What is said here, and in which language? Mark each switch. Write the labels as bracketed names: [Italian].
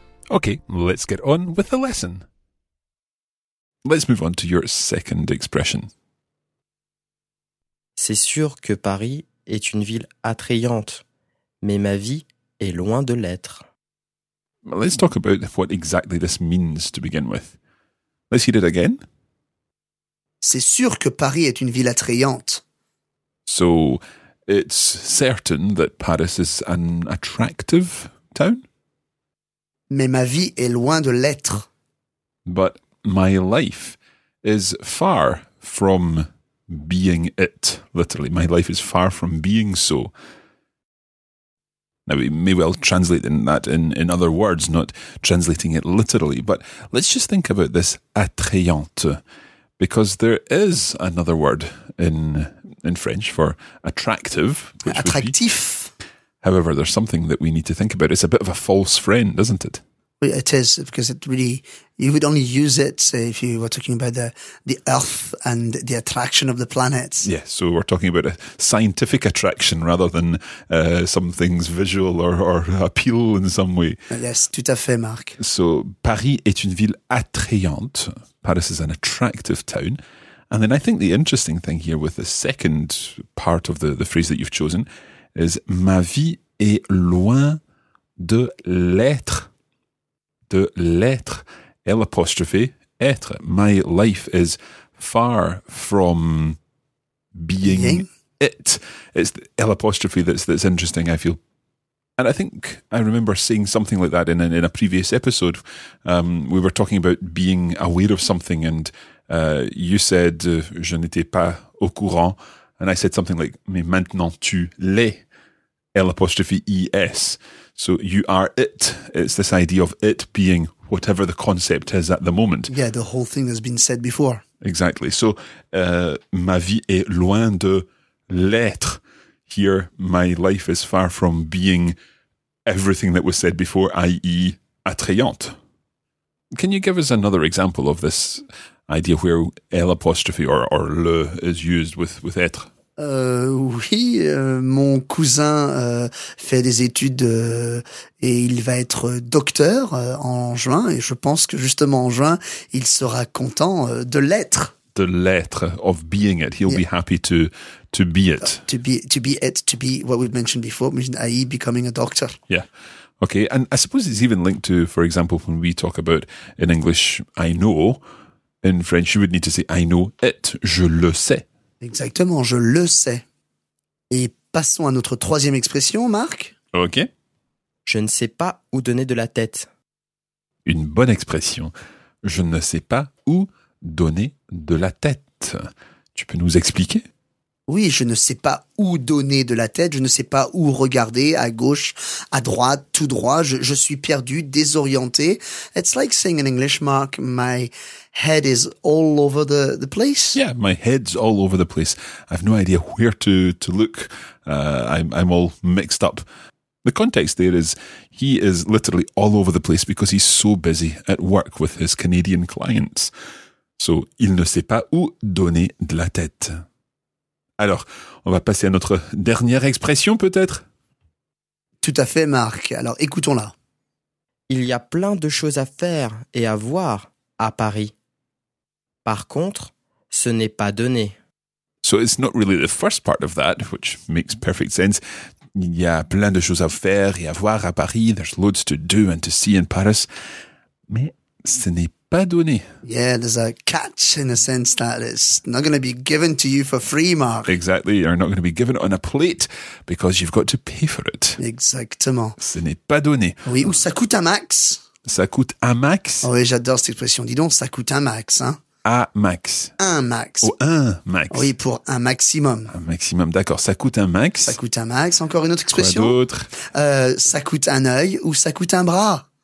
[English] Okay, let's get on with the lesson. Let's move on to your second expression. [French] C'est sûr que Paris est une ville attrayante, mais ma vie est loin de l'être. [English] Let's talk about what exactly this means to begin with. Let's hear it again. [French] C'est sûr que Paris est une ville attrayante. [English] So, it's certain that Paris is an attractive town? [French] Mais ma vie est loin de l'être. [English] But my life is far from being it, literally. My life is far from being so. Now, we may well translate that in other words, not translating it literally. But let's just think about this attrayante, because there is another word in French for attractive. Which attractif. However, there's something that we need to think about. It's a bit of a false friend, isn't it? It is, because it really, you would only use it if you were talking about the Earth and the attraction of the planets. Yeah, so we're talking about a scientific attraction rather than some things visual or appeal in some way. [French] Yes, tout à fait, Marc. So Paris est une ville attrayante. [English] Paris is an attractive town. And then I think the interesting thing here with the second part of the phrase that you've chosen is [French] ma vie est loin de l'être. De l'être, L apostrophe, être. [English] My life is far from being it. It's the L apostrophe that's interesting, I feel. And I think I remember saying something like that in a previous episode. We were talking about being aware of something, and you said, [French] je n'étais pas au courant. [English] And I said something like, [French] mais maintenant tu l'es. [English] L apostrophe ES. So you are it. It's this idea of it being whatever the concept is at the moment. Yeah, the whole thing has been said before. Exactly. [French] So ma vie est loin de l'être. [English] Here, my life is far from being everything that was said before, i.e. attrayante. Can you give us another example of this idea where L apostrophe or le is used with être? [French] Oui, mon cousin fait des études et il va être docteur en juin. Et je pense que justement en juin, il sera content de l'être. De l'être, [English] of being it. He'll be happy to be it. To be what we've mentioned before, i.e. becoming a doctor. Yeah. Okay, and I suppose it's even linked to, for example, when we talk about in English, I know, in French, you would need to say, I know it, [French] je le sais. Exactement, je le sais. Et passons à notre troisième expression, Marc. [English] Okay. [French] Je ne sais pas où donner de la tête. Une bonne expression. Je ne sais pas où donner de la tête. Tu peux nous expliquer? Oui, je ne sais pas où donner de la tête, je ne sais pas où regarder, à gauche, à droite, tout droit, je suis perdu, désorienté. [English] It's like saying in English, Mark, my head is all over the place. Yeah, my head's all over the place. I've no idea where to look. I'm all mixed up. The context there is he is literally all over the place because he's so busy at work with his Canadian clients. [French] So, il ne sait pas où donner de la tête. Alors, on va passer à notre dernière expression, peut-être? Tout à fait, Marc. Alors, écoutons-la. Il y a plein de choses à faire et à voir à Paris. Par contre, ce n'est pas donné. [English] So it's not really the first part of that, which makes perfect sense. [French] Il y a plein de choses à faire et à voir à Paris. [English] There's loads to do and to see in Paris. [French] Mais ce n'est pas donné. [English] Yeah, there's a catch in the sense that it's not going to be given to you for free, Mark. Exactly, you're not going to be given it on a plate because you've got to pay for it. [French] Exactement. Ce n'est pas donné. Oui, ou ça coûte un max. Ça coûte un max. Oh, oui, j'adore cette expression. Dis donc, ça coûte un max. Hein? À max. Un max. Ou un max. Oui, pour un maximum. Un maximum, d'accord. Ça coûte un max. Ça coûte un max. Encore une autre expression. Quoi d'autre? Ça coûte un œil ou ça coûte un bras.